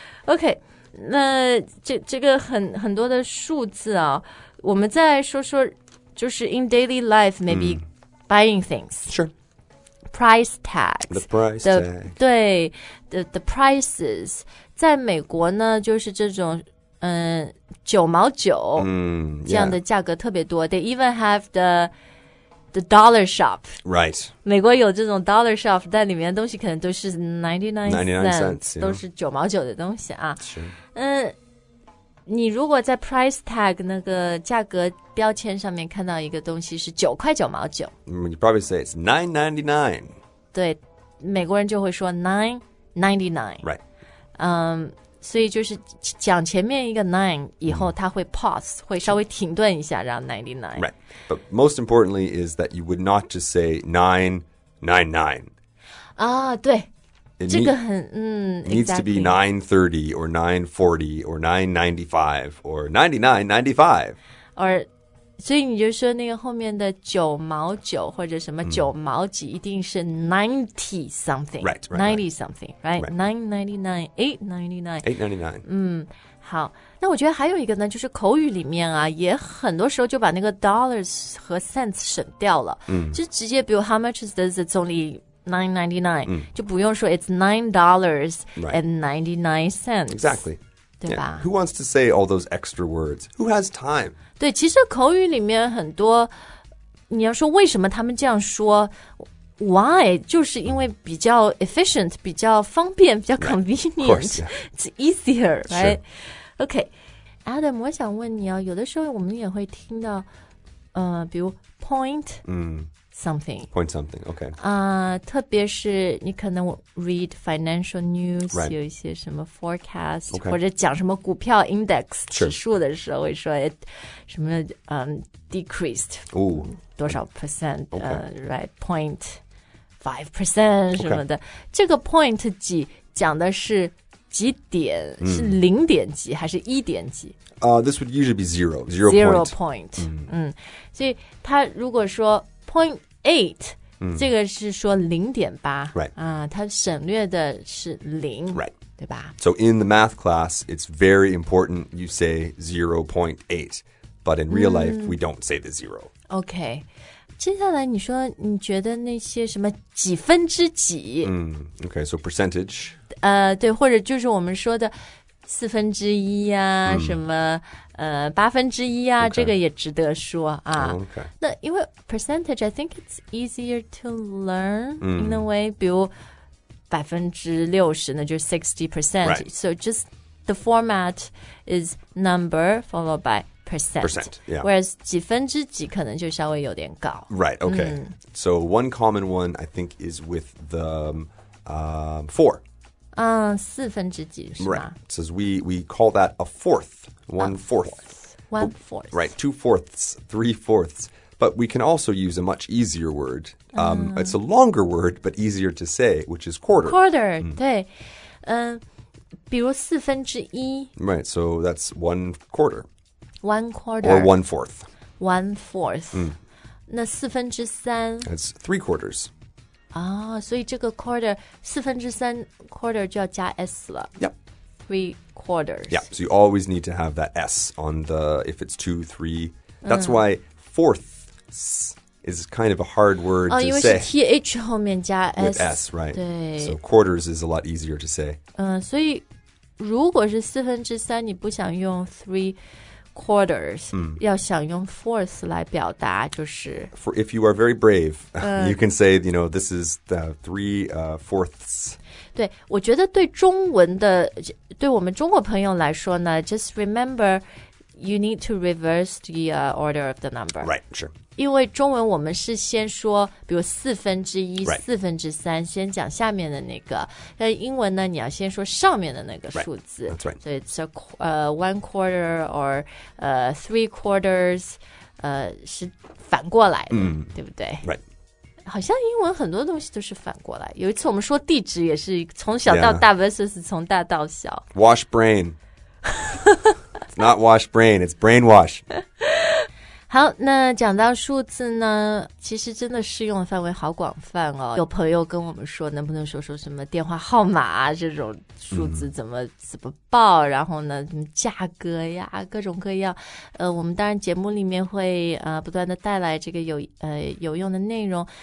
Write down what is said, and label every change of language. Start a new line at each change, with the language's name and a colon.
Chinese: OK, 那 这个 很多的数字啊我们再说说就是
English: in daily life, maybe、
Chinese: mm.
English: buying things. Sure. Price tags. The price tag.
Chinese: 对
English: the prices.
Chinese: 在美国呢就是这种9毛9这样的价格特别多。
English: Mm, yeah. They even have the dollar shop. Right.
Chinese: 美国有这种 dollar shop, 但里面的东西可能都是
English: 99 cents,
Chinese: 都是九毛九的东西啊。是。你如果在 price tag 那个价格标签上面看到一个东西是九块九毛九。
English: You probably say it's 9.99.
Chinese: 对美国人就会说 9.99.
English: Right.
Chinese: 所以就是讲前面一个 9 以后它会 pause、mm. 会稍微停顿一下然后 99
English: Right But most importantly is that you would not just say 999
Chinese: 啊对
English: It
Chinese: 这个很、
English: needs、 exactly. to be 930 or 940 or 995 or 9995
Chinese: or 所以你就说那个后面的九毛九或者什么九毛几一定是 90 something
English: Right, right 90 right. something, right? right 999
Chinese: 好那我觉得还有一个呢就是口语里面啊也很多时候就把那个 dollars 和 cents 省掉了、嗯、就直接比如
English: how much is this it's only 999、嗯、
Chinese: 就不用说
English: it's $9 and 99 cents Exactly
Chinese: 对吧
English: yeah, who wants to say all those extra words? Who has time?
Chinese: 对其实口语里面很多你要说为什么他们这样说 Why? 就是因为比较 efficient, 比较方便比较 convenient.
English: Right, of course,、yeah. It's easier, right?、 Sure.
Chinese: Okay, Adam, 我想问你啊有的时候我们也会听到比如 point、 mm.
English: something. Point something, okay.、
Chinese: 特别是你可能 read financial news,、
English: right.
Chinese: 有一些什么 forecast,、
English: okay.
Chinese: 或者讲什么股票 index 指数的时候、
English: sure.
Chinese: 会说什么、decreased、 Ooh. 多少 percent,、
English: okay. Right, point 5%
Chinese: 什么的。
English: Okay.
Chinese: 这个 point 几讲的是几点、 mm. 是零点几还是一点几、
English: This would usually be zero point. Mm.
Chinese: 所以他如果说 point eight,、 mm. 这个是说零点八。
English: Right.
Chinese: 他省略的是零。
English: Right.
Chinese: 对吧
English: So in the math class, it's very important you say 0.8. But in real life,、mm. we don't say the zero. Okay.
Chinese: 接下来你说你觉得那些什么几分之几、
English: mm, Okay, so percentage
Chinese: 对或者就是我们说的四分之一啊、 mm. 什么八分之一啊、这个也值得说啊、
English: oh, okay.
Chinese: 那因为
English: percentage I think it's easier to learn、 mm. in a way
Chinese: 比如百分之六十那就是 60%
English: Right So just the format is number followed by percent. Yeah.
Chinese: Whereas 几分之几可能就稍微有点高。
English: Right, okay.、Mm. So one common one, I think, is with the、four.
Chinese: 四分之几是吗
English: Right. It says we call that a fourth. One fourth. Right, 2/4, 3/4. But we can also use a much easier word.、It's a longer word, but easier to say, which is quarter.
Chinese: Quarter,、mm. 对。比如四分之一
English: Right, so that's one quarter. One quarter. Or 1/4. 1/4.、 Mm.
Chinese: 那四分之三
English: That's 3/4.
Chinese: 啊、oh, 所以这个 quarter, 四分之三 quarter 就要加 S 了。
English: Yep. 3/4. Yep, so you always need to have that S on the, if it's 2, 3. That's、mm. why fourths is kind of a hard word、 to
Chinese: 哦因为是 TH 后面加 S.
English: With S, right.
Chinese: 对。
English: So quarters is a lot easier to say.
Chinese: 所以如果是四分之三你不想用 3/4, mm. 要想用 fourth 来表达就是
English: For if you are very brave, you can say, you know, this is the three fourths.
Chinese: 对,我觉得对中文的,对我们中国朋友来说呢,
English: just remember, you need to reverse the order of the number. Right, sure.
Chinese: 因为中文我们是先说,比如四分之一,四分之三,先讲下面的那个。但英文呢,你要先说上面的那个数字。
English: Right. That's right. So it's a, one quarter or three quarters,
Chinese: 是反过来的,对不对?
English: Right.
Chinese: 好像英文很多东西都是反过来。有一次我们说地址也是从小到大 versus 从大到小。
English: Yeah. Wash brain. It's not wash brain, it's brainwash.
Chinese: 好那讲到数字呢其实真的适用的范围好广泛哦。有朋友跟我们说能不能说说什么电话号码、啊、这种数字怎么报然后呢价格呀各种各样。我们当然节目里面会不断的带来这个有用的内容。